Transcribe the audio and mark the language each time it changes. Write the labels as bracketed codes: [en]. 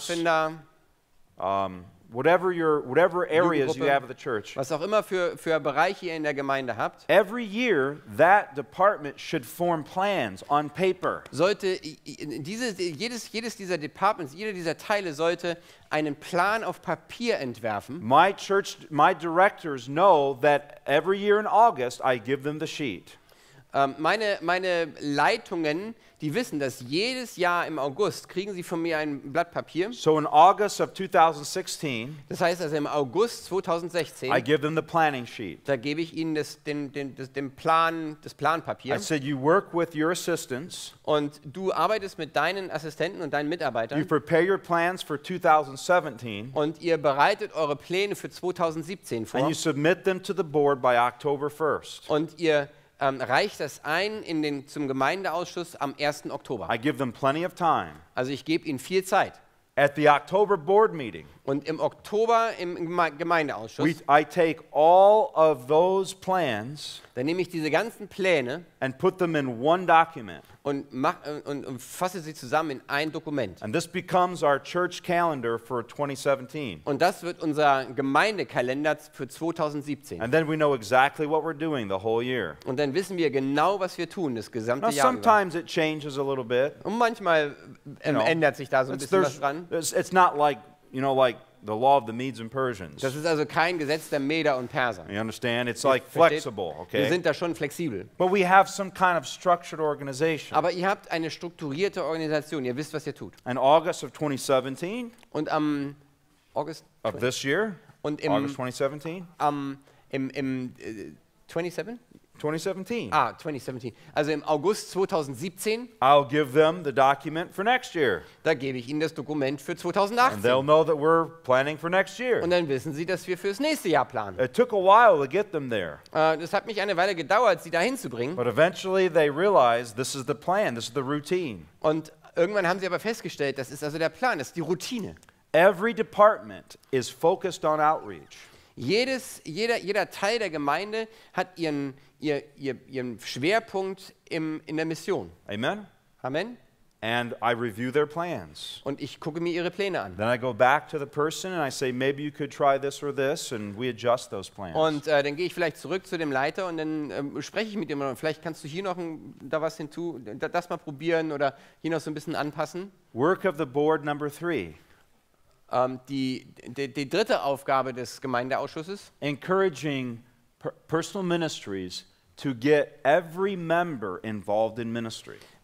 [de] Pfadfinder. [en] Whatever areas you have of the church. [de] Was auch immer für Bereiche ihr in der Gemeinde habt. [en] Every year that department should form plans on paper. [de] Sollte jedes dieser Departments, jeder dieser Teile sollte einen Plan auf Papier entwerfen. [en] My directors know that every year in August I give them the sheet. [de] Meine Leitungen, die wissen, dass jedes Jahr im August kriegen sie von mir ein Blatt Papier. [en] So in August of 2016. [de] Das heißt also im August 2016. [en] I give them the planning sheet. [de] Da gebe ich ihnen das Planpapier. [en] I said you work with your assistants. [de] Und du arbeitest mit deinen Assistenten und deinen Mitarbeitern. [en] You prepare your plans for 2017. [de] Und ihr bereitet eure Pläne für 2017 vor. [en] And you submit them to the board by October 1st. [de] Und ihr reicht das ein zum Gemeindeausschuss am 1. Oktober. [en] I give them plenty of time. [de] Also ich gebe ihnen viel Zeit. [en] At the October board meeting. [de] Und im Oktober im Gemeindeausschuss. [en] I take all of those plans. [de] Dann nehme ich diese ganzen Pläne. [en] And put them in one document. [de] Und fasse sie zusammen in ein Dokument. [en] And this becomes our church calendar for 2017. [de] Und das wird unser Gemeindekalender für 2017. [en] And then we know exactly what we're doing the whole year. [de] Und dann wissen wir genau, was wir tun das gesamte Jahr. [en] Sometimes it changes a little bit. [de] Und manchmal ändert sich da so ein bisschen was dran. [en] It's not like, you know, like the law of the Medes and Persians. [de] Das ist also kein Gesetz der Meder und Perser. [en] You understand? It's like flexible, okay? [de] Wir sind da schon flexibel. [en] But we have some kind of structured organization. [de] Aber ihr habt eine strukturierte Organisation. Ihr wisst, was ihr tut. [en] In August of 2017. [de] Und am August [en] of this year. [de] Und im [en] August 2017. [de] Im 2017. Also im August 2017. [en] I'll give them the document for next year. [de] Da gebe ich ihnen das Dokument für 2018. [en] And they'll know that we're planning for next year. [de] Und dann wissen sie, dass wir fürs nächste Jahr planen. [en] It took a while to get them there. [de] Das hat mich eine Weile gedauert, sie dahin zu bringen. [en] But eventually they realize this is the plan, this is the routine. [de] Und irgendwann haben sie aber festgestellt, das ist also der Plan, das ist die Routine. [en] Every department is focused on outreach. [de] Jeder Teil der Gemeinde hat ihren Schwerpunkt in der Mission. [en] Amen. [de] Amen. [en] And I review their plans. [de] Und ich gucke mir ihre Pläne an. [en] Then I go back to the person and I say, maybe you could try this or this, and we adjust those plans. [de] Und dann gehe ich vielleicht zurück zu dem Leiter und dann spreche ich mit ihm und vielleicht kannst du hier noch da was hinzu, das mal probieren oder hier noch so ein bisschen anpassen. [en] Work of the board number three. [de] Die dritte Aufgabe des Gemeindeausschusses. [en] Encouraging personal ministries to get every member involved in ministry.